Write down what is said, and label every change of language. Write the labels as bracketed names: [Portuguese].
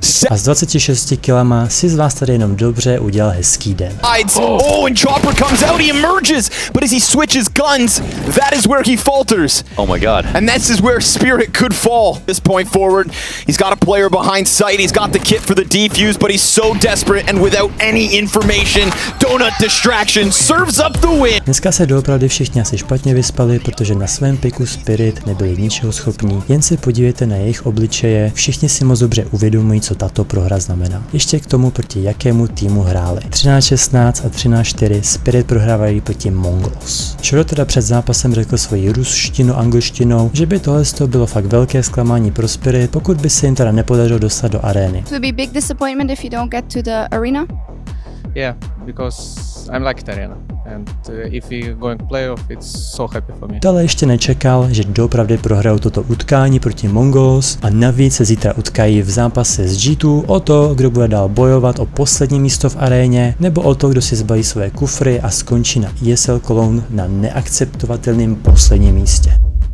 [Czech] A s 26 kilama si z vás tady jenom dobře udělal hezký den. [English] Oh, and Chopper comes out, he emerges, but as he switches guns, that is where he falters. Oh my god. And this is where Spirit could fall. This point forward, he's got a player behind sight, he's got the kit for the defuse, but he's so desperate and without any information. Donut distraction serves up the win. [Czech] Dneska se doopravdy všichni asi špatně vyspali, protože na svém piku Spirit nebyli ničeho schopní. Jen se podívejte na jejich obličeje, všichni si moc dobře uvědomují, co tato prohra znamená. Ještě k tomu, proti jakému týmu hráli. 13-16 a 13-4 Spirit prohrávají proti Mongols. Shiro teda před zápasem řekl svoji ruštinu angličtinou, že by tohle to bylo fakt velké zklamání pro Spirit, pokud by se jim teda nepodařilo dostat do arény. [English] To be big disappointment if you don't get to the arena. Yeah, because I'm like the arena. and if we going playoff, it's so happy for me. [Czech] Dale ještě nečekal, že doopravdy prohrajou toto utkání proti Mongols a navíc se zítra utkají v zápase s G2 o to, kdo bude dál bojovat o poslední místo v aréně, nebo o to, kdo si zbalí svoje kufry a skončí na ESL Cologne na neakceptovatelném posledním místě.